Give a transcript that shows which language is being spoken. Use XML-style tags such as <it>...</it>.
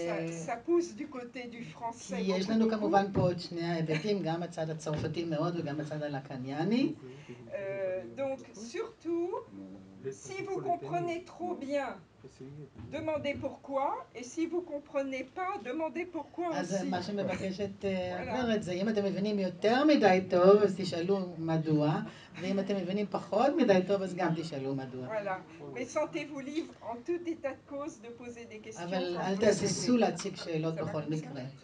<fr>ça pousse du côté du français.</fr> <he>כי יש לנו כמובן פה עוד שני ההיבטים, גם הצד הצרפתי מאוד וגם הצד הלקניאני.</he> <fr>Donc surtout, si vous comprenez trop bien, demandez pourquoi, et si vous comprenez pas, demandez pourquoi aussi.</fr> <he>אז מה שמבקשת אומרת זה, אם אתם מבינים יותר מדי טוב, אז תשאלו מדוע, ואם אתם מבינים פחות מדי טוב, אז גם תשאלו מדוע.</he> <fr>Voilà. Mais sentez-vous libre en tout état de cause de poser des questions.</fr> <he>אבל אל תהססו להציג שאלות בכל מקרה.</he>